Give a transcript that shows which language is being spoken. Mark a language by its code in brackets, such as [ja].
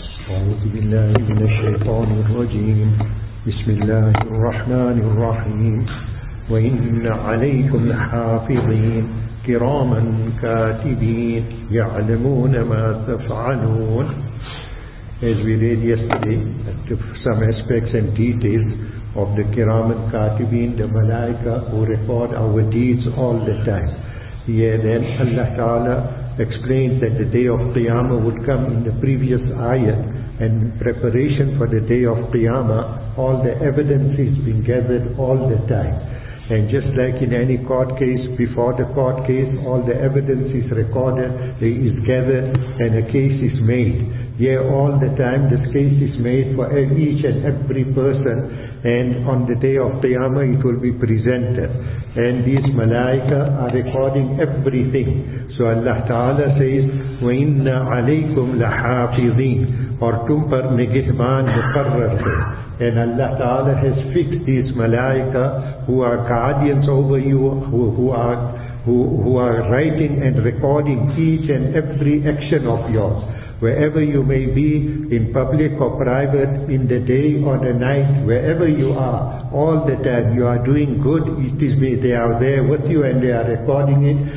[ar] أعوذ بالله من الشيطان الرجيم. بسم الله الرحمن الرحيم. وإن عليكم حافظين كراما كاتبين يعلمون ما تفعلون. [en] As we read yesterday, some aspects and details of the kiram and katibin, the malaika who record our deeds all the time. Here then Allah Ta'ala explains that the day of Qiyamah would come in the previous ayat, and in preparation for the day of Qiyamah, all the evidence is being gathered all the time. And just like in any court case, before the court case, all the evidence is recorded, is gathered, and a case is made. Yeah, all the time this case is made for each and every person, and on the day of Qiyamah it will be presented. And these malaika are recording everything. So Allah Ta'ala says, [ar] وَإِنَّ عَلَيْكُمْ لَحَافِظِينَ [en] or [ur] تُمْ پَرْ نِقِتْبَانْ مُقَرَّرْتَ. [en] And Allah Ta'ala has fixed these malaika who are guardians over you, who are writing and recording each and every action of yours. Wherever you may be, in public or private, in the day or the night, wherever you are, all the time you are doing good, it is they are there with you and they are recording it.